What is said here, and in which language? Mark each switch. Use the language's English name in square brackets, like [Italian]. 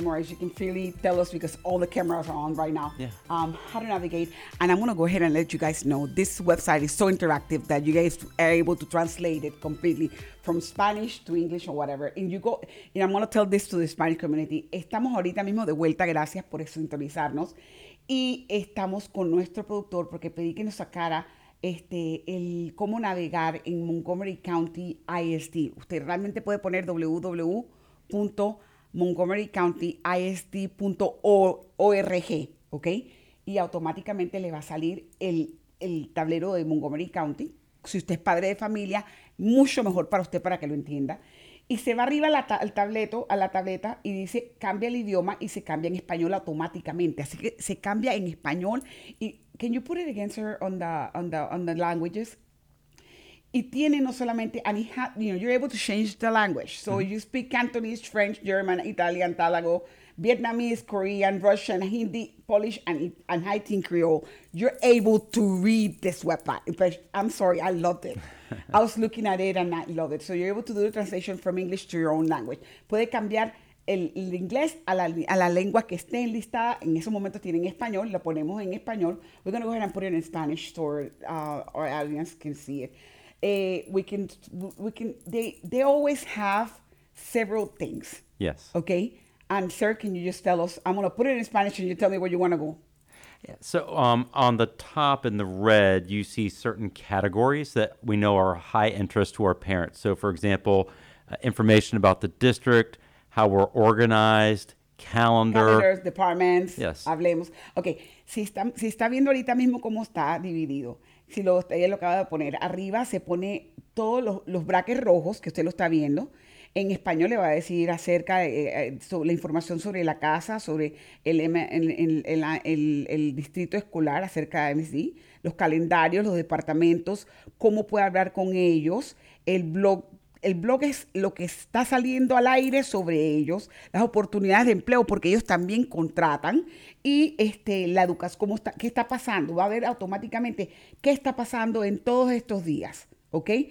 [English] Morris, you can freely tell us, because all the cameras are on right now, yeah. How to navigate. And I'm going to go ahead and let you guys know this website is so interactive that you guys are able to translate it completely from Spanish to English or whatever. And you go, and I'm going to tell this to the Spanish community. [Spanish] Estamos ahorita mismo de vuelta. Gracias por sintonizarnos. Y estamos con nuestro productor porque pedí que nos sacara el cómo navegar en Montgomery County ISD. Usted realmente puede poner www.montgomerycountyisd.org, ¿ok? Y automáticamente le va a salir el tablero de Montgomery County. Si usted es padre de familia, mucho mejor para usted para que lo entienda. Y se va arriba a la tableta y dice, cambia el idioma, y se cambia en español automáticamente. Así que se cambia en español. Y, [English] can you put it again, sir, on the languages? [Spanish] y tiene no solamente, [English] and it has, you know, you're able to change the language. So mm-hmm. you speak Cantonese, French, German, Italian, Tagalog, Vietnamese, Korean, Russian, Hindi, Polish, and Haitian Creole. You're able to read this website. I'm sorry, I loved it. I was looking at it and I love it. So you're able to do the translation from English to your own language. [Spanish] Puede cambiar el inglés a la lengua que esté enlistada. En esos momentos tienen español. Lo ponemos en español. [English] We're going to go ahead and put it in Spanish so our audience can see it. They always have several things. Yes. Okay. And sir, can you just tell us, I'm going to put it in Spanish and you tell me where you want to go. Yeah. So on the top in the red, you see certain categories that we know are high interest to our parents. So for example, information about the district, how we're organized, calendar. Calendars, departments. Yes. [Spanish] Hablemos. Okay. Si está viendo ahorita mismo cómo está dividido. Si lo usted lo acaba de poner arriba, se pone todos los brackets rojos que usted lo está viendo. En español le va a decir acerca de sobre la información sobre la casa, sobre el distrito escolar, acerca de MISD, los calendarios, los departamentos, cómo puede hablar con ellos, el blog es lo que está saliendo al aire sobre ellos, las oportunidades de empleo, porque ellos también contratan, y la educación, cómo está, qué está pasando, va a ver automáticamente qué está pasando en todos estos días, ¿ok?